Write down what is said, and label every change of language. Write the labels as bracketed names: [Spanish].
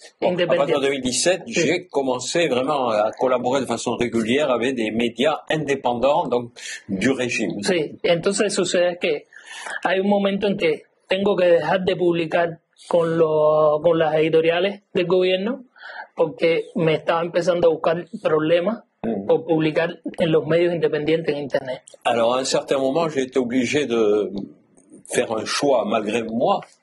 [French] Bon, à partir de 2017, j'ai commencé vraiment à collaborer de façon régulière avec des médias indépendants donc, du régime. [Spanish] Sí. Entonces sucede que hay un momento en que tengo que dejar de publicar con las editoriales del gobierno porque me estaba empezando a buscar problemas por publicar en los medios independientes en internet. [French] Alors, à un certain moment, j'ai été obligé de faire un choix malgré moi.